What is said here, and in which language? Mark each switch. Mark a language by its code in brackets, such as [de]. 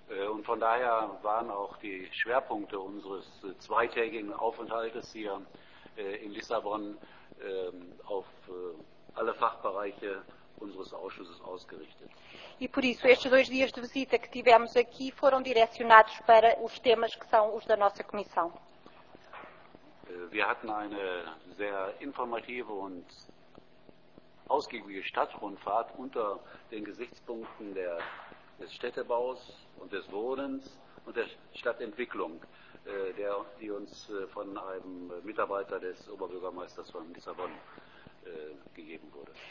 [de] Und von daher waren auch die Schwerpunkte unseres zweitägigen Aufenthaltes hier in Lissabon auf alle Fachbereiche unseres Ausschusses ausgerichtet. [pt] E por isso, estes dois dias de visita que tivemos aqui foram direcionados para os temas que são os da nossa comissão. [de] Wir hatten eine sehr informative und ausgiebige Stadtrundfahrt unter den Gesichtspunkten des Städtebaus und des Wohnens und der Stadtentwicklung, die uns von einem Mitarbeiter des Oberbürgermeisters von Lissabon gegeben wurde.